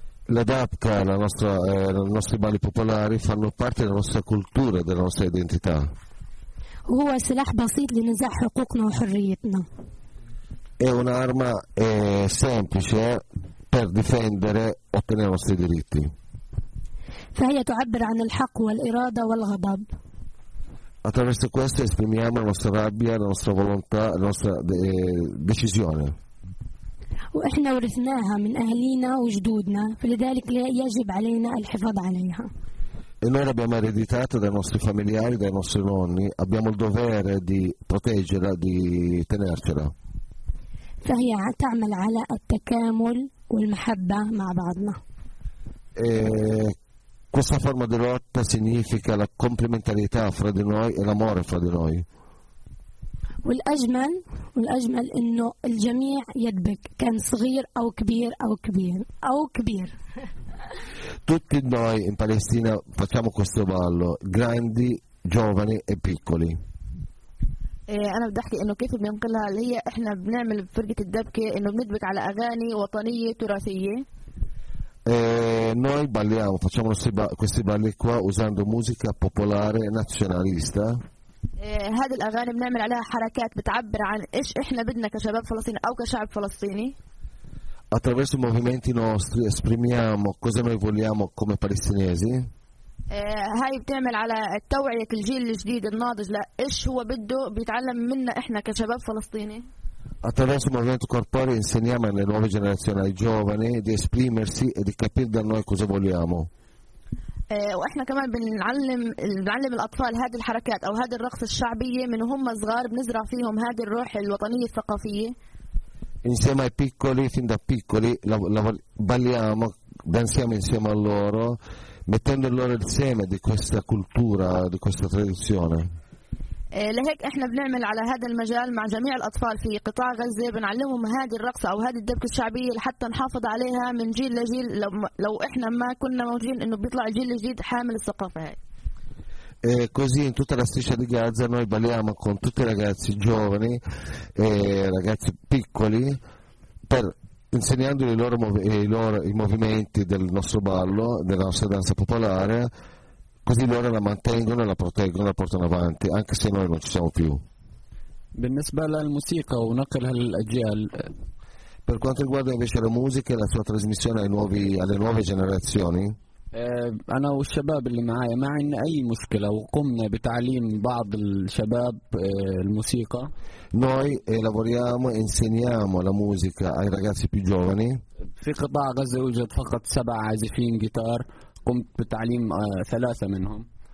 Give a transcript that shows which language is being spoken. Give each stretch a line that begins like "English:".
Italian: La dabka, i nostri balli popolari fanno parte della nostra cultura, della nostra identità.
Arabic: هو سلاح بسيط لنزاع حقوقنا وحريتنا.
Italian: È un'arma semplice per difendere e ottenere i nostri diritti.
Arabic: فهي تعبر عن الحق والإرادة والغضب.
Italian: Attraverso questo esprimiamo la nostra rabbia, la nostra volontà, la nostra decisione.
Arabic: وإحنا ورثناها من أهلينا وجدودنا، فلذلك يجب علينا الحفاظ عليها.
Italian: E noi l'abbiamo ereditata dai nostri familiari, dai nostri nonni. Abbiamo il dovere di proteggerla, di tenercela.
Arabic: فهي تعمل على التكامل والمحبة مع بعضنا.
Italian: Questa forma di lotta significa la complementarietà fra di noi e l'amore fra di noi.
Arabic: والأجمل إنه الجميع يدبك كان صغير أو كبير أو كبير أو كبير.
Italian: Tutti noi in Palestina facciamo questo ballo, grandi, giovani e piccoli.
Arabic: انا بدي احكي انه كيف بننقلها اللي هي احنا بنعمل فرقة الدبكة انه بندبك على اغاني وطنية تراثية.
Italian: Noi balliamo, facciamo questi balli qua usando musica popolare nazionalista.
Arabic: هذه الاغاني بنعمل عليها حركات بتعبر عن ايش احنا بدنا كشباب فلسطيني او كشعب فلسطيني.
Italian: Attraverso i movimenti nostri esprimiamo cosa noi vogliamo come palestinesi.
Arabic: هاي بتعمل على التوعية الجيل الجديد الناضج لايش هو بده بيتعلم منا احنا كشباب فلسطيني.
Italian: Attraverso il movimento corporeo insegniamo alle nuove generazioni, ai giovani, di esprimersi e di capire da noi cosa vogliamo.
Arabic: واحنا كمان بنعلم الاطفال هذه الحركات او هذه الرقص الشعبيه من هم صغار بنزرع فيهم هذه الروح الوطنيه الثقافيه.
Italian: Insieme ai piccoli, fin da piccoli, balliamo, danziamo insieme a loro, mettendo loro il seme di questa cultura, di questa tradizione.
Arabic: لهيك احنا بنعمل على هذا المجال مع جميع الاطفال في قطاع غزه بنعلمهم هذه الرقصه او هذه الدبكه الشعبيه لحتى نحافظ عليها من جيل لجيل لو احنا ما كنا موجودين انه بيطلع الجيل الجديد حامل الثقافه هاي.
Italian: Così in tutta la striscia di Gaza noi balliamo con tutti i ragazzi giovani e ragazzi piccoli per insegnando i movimenti del nostro ballo, della nostra danza popolare. Così loro la mantengono, la proteggono, la portano avanti, anche se noi non ci siamo più. Per quanto riguarda invece la musica e la sua trasmissione alle nuove generazioni,
Arabic: انا والشباب اللي معايا ما عندنا اي مشكله وقمنا بتعليم بعض الشباب الموسيقى.
Italian: Noi lavoriamo e insegniamo la musica ai ragazzi più giovani.
Arabic: في قطاع غزه يوجد فقط 7 عازفين جيتار قمت بتعليم 3 منهم.